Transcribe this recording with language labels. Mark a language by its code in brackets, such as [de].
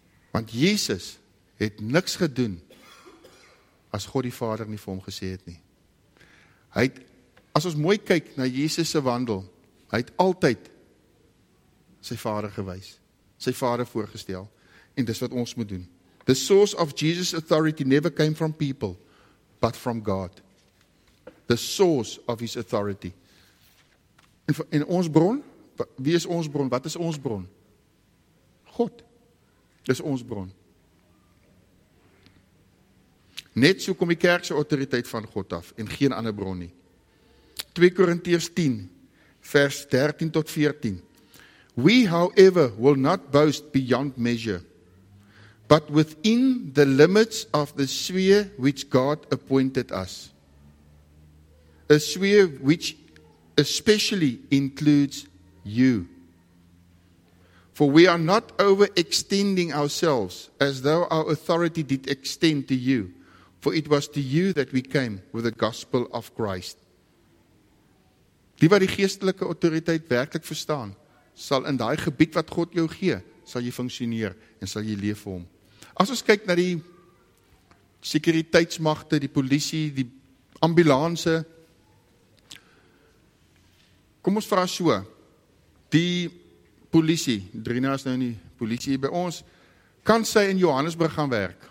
[af] Want Jesus het niks gedoen as God die Vader nie vir hom gesê het nie. Hy het, as ons mooi kyk na Jesus se wandel, hy het altyd sy Vader gewys, sy Vader voorgestel. En dis wat ons moet doen. [en] The source of Jesus' authority never came from people, but from God. The source of his authority. [af] En ons bron? Wie is ons bron? Wat is ons bron? God. Dis ons bron. Net so kom die kerk se autoriteit van God af en geen ander bron nie. 2 Korintiërs 10 vers 13 tot 14. [en] We, however, will not boast beyond measure, but within the limits of the sphere which God appointed us. A sphere which especially includes you. For we are not overextending ourselves as though our authority did extend to you, for it was to you that we came with the gospel of Christ. [af] Die wat die geestelike autoriteit werklik verstaan, sal in daai gebied wat God jou gee, sal jy funksioneer en sal jy leef vir hom. As ons kyk na die sekuriteitsmagte, die polisie, die ambulance, kom ons vra so, die polisie, Drina is nou in die polisie by ons, kan sy in Johannesburg gaan werk?